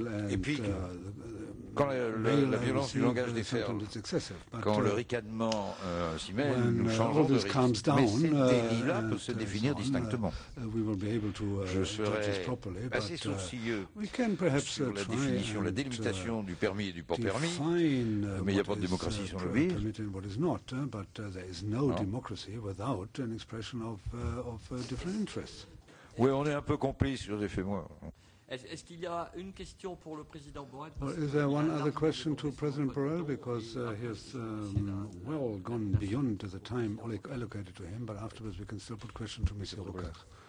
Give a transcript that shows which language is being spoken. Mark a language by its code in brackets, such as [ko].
[fr] Et puis, quand la violence du langage déferle, quand le ricanement s'y met, nous changeons de risque. Mais ces délits-là peuvent se définir distinctement. Je serais assez sourcilleux. [en] Perhaps [fr] sur la définition, la délimitation du permis et du port-permis, mais il n'y a pas de démocratie sans lobbyisme. Non. [en] But there is no democracy without an expression of different interests. [fr] Oui, on est un peu complices, Joseph et moi. Est-ce qu'il y a une question pour le président Borrell? [en] Well, is there one other question to President Borrell? Because he has well gone beyond the time allocated to him, but afterwards we can still put questions to Monsieur Rocard.